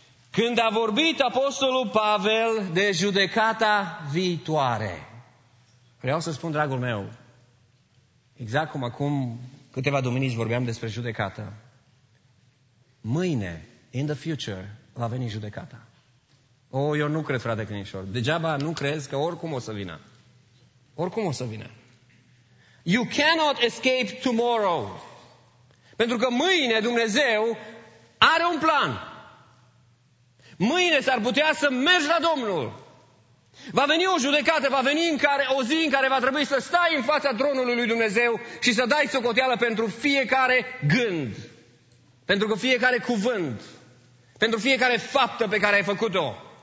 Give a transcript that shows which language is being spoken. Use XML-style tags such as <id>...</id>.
<ro>Când a vorbit Apostolul Pavel de judecata viitoare, vreau să spun, dragul meu, exact cum acum câteva duminici vorbeam despre judecată, mâine,</ro> <en>in the future,</en> <ro>va veni judecata. Eu nu cred, frate Crinișor, degeaba nu crezi că oricum o să vină. Oricum o să vină.</ro> <en>You cannot escape tomorrow.</en> <ro>Pentru că mâine Dumnezeu are un plan. Mâine s-ar putea să mergi la Domnul. Va veni o judecată, va veni în care, o zi în care va trebui să stai în fața tronului lui Dumnezeu și să dai socoteală pentru fiecare gând, pentru fiecare cuvânt, pentru fiecare faptă pe care ai făcut-o.</ro>